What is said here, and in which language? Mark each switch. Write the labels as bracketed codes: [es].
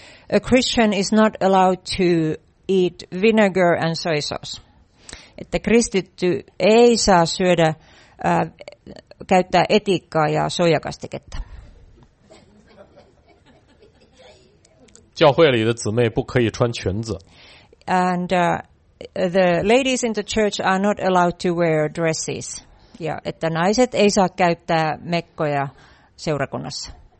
[en] A Christian is not allowed to eat vinegar and soy sauce. [fi] Että kristitty ei saa syödä käyttää etikkaa ja soijakastiketta. [zh] 教会里的姊妹不可以穿裙子。 [en] And the ladies in the church are not allowed to wear dresses. [fi] Ja että naiset ei saa käyttää mekkoja seurakunnassa.